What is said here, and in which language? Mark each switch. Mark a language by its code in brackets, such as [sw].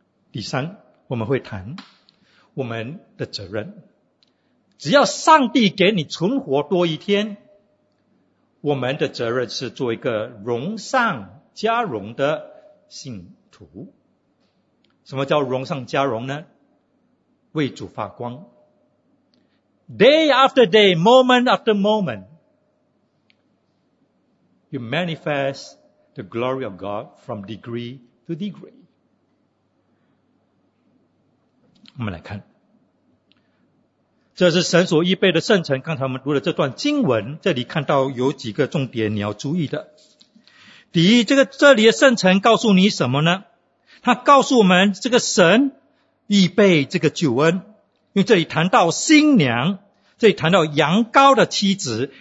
[zh] 第三，我们会谈我们的责任，只要上帝给你存活多一天，我们的责任是做一个荣上加荣的信徒。什么叫荣上加荣呢？为主发光， [en] day after day， moment after moment， you manifest the glory of God from degree to degree。 [zh] 我们来看这是神所预备的圣城。刚才我们读了这段经文，这里看到有几个重点你要注意的。第一，这里的圣城告诉你什么呢？他告诉我们这个神预备这个救恩，因为这里谈到新娘，这里谈到羊羔的妻子。